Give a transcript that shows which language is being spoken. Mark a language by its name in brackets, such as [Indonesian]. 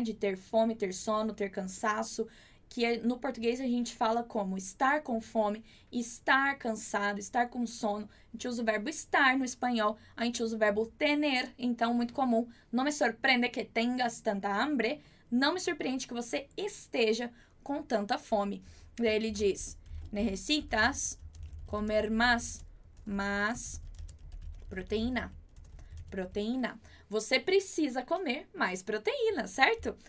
[Portuguese] De ter fome, ter sono, ter cansaço. Que é, no português a gente fala como estar com fome, estar cansado, estar com sono. A gente usa o verbo estar no espanhol. A gente usa o verbo tener. Então, muito comum. Não me surpreende que [Spanish] tengas tanta hambre. [Portuguese] Não me surpreende que você esteja com tanta fome. Daí ele diz, [Spanish] necesitas comer más proteína. Proteína. [Portuguese] Você precisa comer mais proteína, certo?